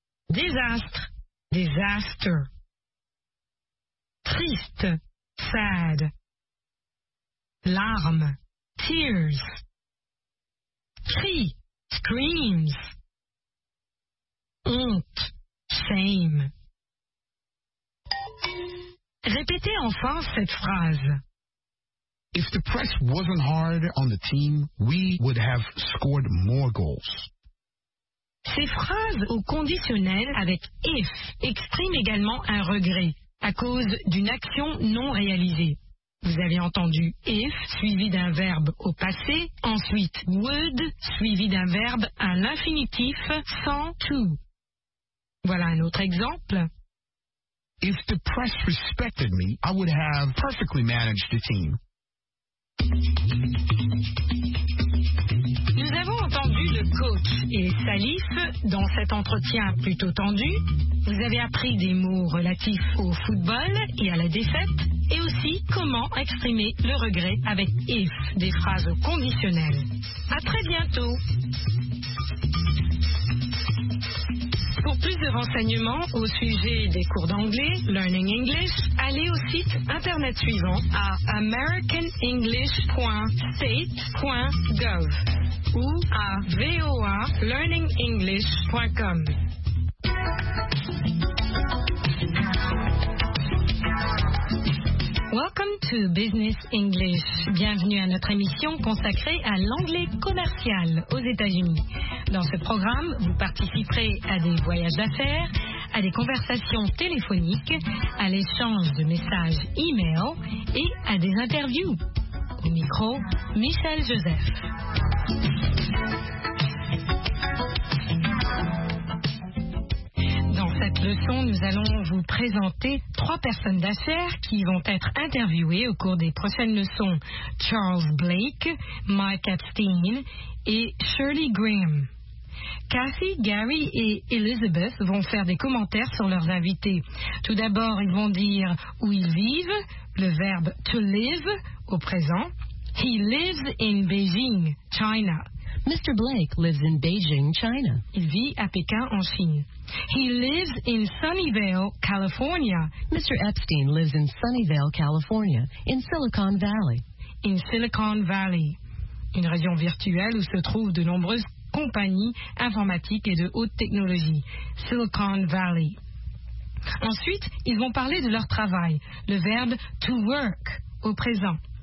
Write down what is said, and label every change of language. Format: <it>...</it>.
<fr>Désastre. Disaster. Triste. Sad. Larmes. Tears. Cri. Screams. Honte. same. Répétez en France cette phrase.</fr> <en>If the press wasn't hard on the team, we would have scored more goals.</en> <fr>Ces phrases au conditionnel avec if expriment également un regret à cause d'une action non réalisée. Vous avez entendu if suivi d'un verbe au passé, ensuite would suivi d'un verbe à l'infinitif sans to. Voilà un autre exemple.</fr> <en>If the press respected me, I would have perfectly managed the team.</en> <fr>Nous avons entendu le coach et Salif dans cet entretien plutôt tendu. Vous avez appris des mots relatifs au football et à la défaite, et aussi comment exprimer le regret avec if, des phrases au conditionnel. À très bientôt. Pour plus de renseignements au sujet des cours d'anglais, Learning English, allez au site internet suivant à americanenglish.state.gov ou à voalearningenglish.com.</fr> <en>Welcome to Business English.</en> <fr>Bienvenue à notre émission consacrée à l'anglais commercial aux États-Unis. Dans ce programme, vous participerez à des voyages d'affaires, à des conversations téléphoniques, à l'échange de messages e-mail et à des interviews. Au micro, Michel Joseph. Leçon, nous allons vous présenter trois personnes d'affaires qui vont être interviewées au cours des prochaines leçons. Charles Blake, Mike Epstein et Shirley Graham. Cathy, Gary et Elizabeth vont faire des commentaires sur leurs invités. Tout d'abord, ils vont dire où ils vivent, le verbe to live au présent.</fr> <en>He lives in Beijing, China. Mr. Blake lives in Beijing, China.</en> <fr>Il vit à Pékin, en Chine.</fr> <en>He lives in Sunnyvale, California. Mr. Epstein lives in Sunnyvale, California, in Silicon Valley.</en> <fr>In Silicon Valley, une région virtuelle où se trouvent de nombreuses compagnies informatiques et de haute technologie. Silicon Valley. Ensuite, ils vont parler de leur travail, le verbe to work au présent.</fr>